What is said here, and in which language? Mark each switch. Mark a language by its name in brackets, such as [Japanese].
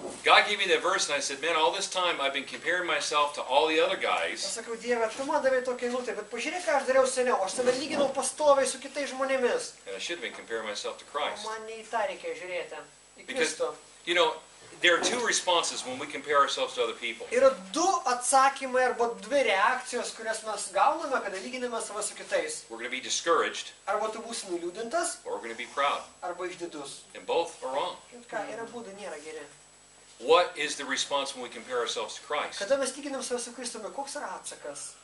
[English] God gave me that verse and I said, man, all this time I've been comparing myself to all the other guys. [Lithuanian] Aš sakau, Dieve, tu man davai tokią nutį, bet pažiūrėk, ką aš dariau seniau, aš save lyginau pastoviai su kitais žmonėmis. [English] And I should have been comparing myself to Christ. [Lithuanian] Man ne į tą reikia žiūrėti, į Kristų. [English] You know, There are two responses when we compare ourselves to other people. [Lithuanian] Yra du atsakymai arba dvi reakcijos, kurias mes gauname, kada lyginame save su kitais. [English] We're going to be discouraged. [Lithuanian] Arba tu būsi nuliūdintas. [English] Or we're going to be proud. [Lithuanian] Arba išdidus. [English] And both are wrong. [Lithuanian] Ką yra būdų, nėra geri. [English] What is the response when we compare ourselves to Christ? [Lithuanian] Kada mes lyginame save su Kristumi, koks yra atsakas?